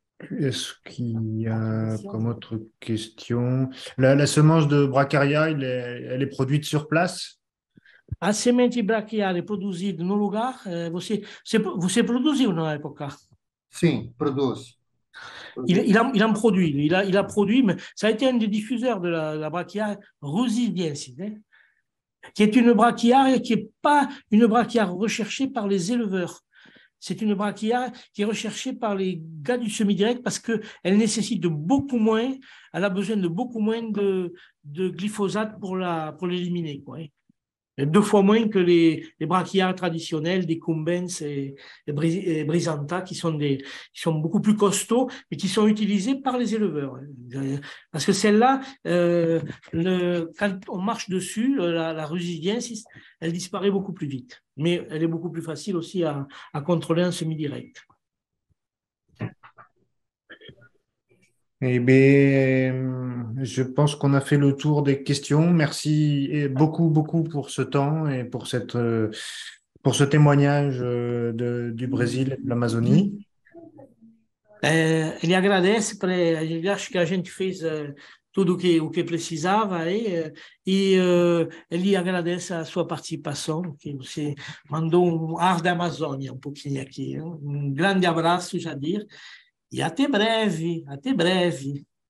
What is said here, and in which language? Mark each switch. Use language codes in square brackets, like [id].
[fr] Est-ce qu'il y a comme autre question? La semence de Bracharia, elle est produite sur place? [pt] La semente brachiale produzida no lugar, você produziu na época? Sim, produz. [fr] Il en produit, il a produit, mais ça a été un des diffuseurs de la brachiale rosidiense, hein, qui est une brachiale qui n'est pas une brachiale recherchée par les éleveurs. C'est une brachiale qui est recherchée par les gars du semi-direct parce qu'elle nécessite de beaucoup moins, elle a besoin de beaucoup moins de glyphosate pour l'éliminer, quoi, hein. Deux fois moins que les brachiales traditionnelles, des Combens et Brisanta, qui sont beaucoup plus costauds, mais qui sont utilisés par les éleveurs. Parce que celle-là, quand on marche dessus, la rhizidiensis, elle disparaît beaucoup plus vite. Mais elle est beaucoup plus facile aussi à contrôler en semi-direct. Eh bien, je pense qu'on a fait le tour des questions. Merci beaucoup, beaucoup pour ce temps et pour ce témoignage du Brésil et de l'Amazonie. [pt] Ele agradece para ele, acho que a gente fez tudo o que precisava e ele agradece a sua participação, que você mandou um ar da Amazônia um pouquinho aqui. Um grande abraço, Jadir, e até breve, até breve.